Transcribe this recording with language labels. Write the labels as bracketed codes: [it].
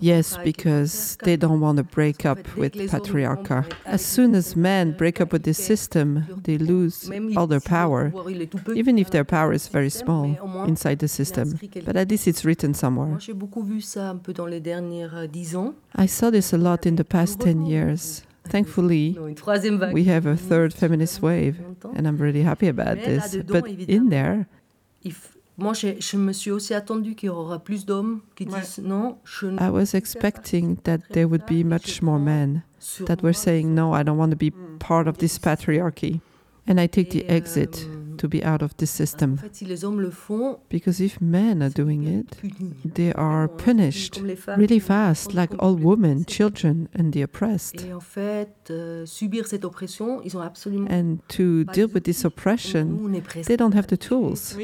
[en] Yes, because they don't want to break up with patriarchy. As soon as men break up with this system, they lose all their power, even if their power is very small inside the system. But at least it's written somewhere. [fr] J'ai beaucoup vu ça un peu dans les dernières 10 ans. [en] I saw this a lot in the past 10 years. Thankfully, we have a third feminist wave, and I'm really happy about this. But in there, [fr] moi, je me suis aussi attendu qu'il y aura plus d'hommes qui disent non. [en] I was expecting that there would be much more men that were saying no. I don't want to be part of this patriarchy, and I take the exit to be out of this system. [fr] En fait, si les hommes le font, [en] because if men are doing it, they are punished really fast, like all women, children, and the oppressed. [fr] Et en fait, subir cette oppression, ils ont absolument. [en] And to deal with this oppression, they don't have the tools.